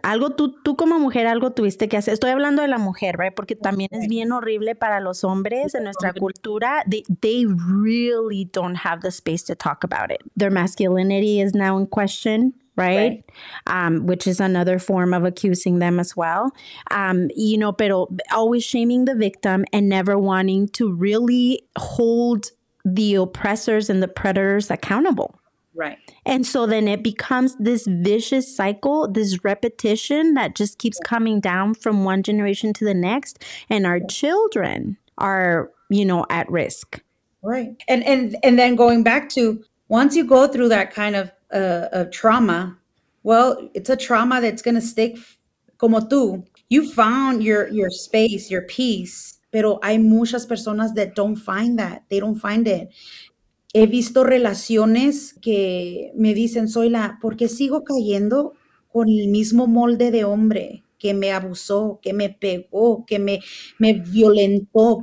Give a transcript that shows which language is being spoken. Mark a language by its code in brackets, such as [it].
[es] Algo tú como mujer, algo tuviste que hacer. Estoy hablando de la mujer, right? Porque también es bien horrible para los hombres en nuestra cultura. [en] They really don't have the space to talk about it. Their masculinity is now in question. right? Which is another form of accusing them as well. You know, pero always shaming the victim and never wanting to really hold the oppressors and the predators accountable. Right. And so then it becomes this vicious cycle, this repetition that just keeps coming down from one generation to the next. And our children are, you know, at risk. Right. And then going back to, once you go through that kind of trauma, well, it's a trauma that's going to stick. Como tú, you found your space, your peace. Pero hay muchas personas that don't find that. They don't find it. [es] He visto relaciones que me dicen, Zoyla, ¿por qué sigo cayendo con el mismo molde de hombre que me abusó, que me pegó, que me violentó?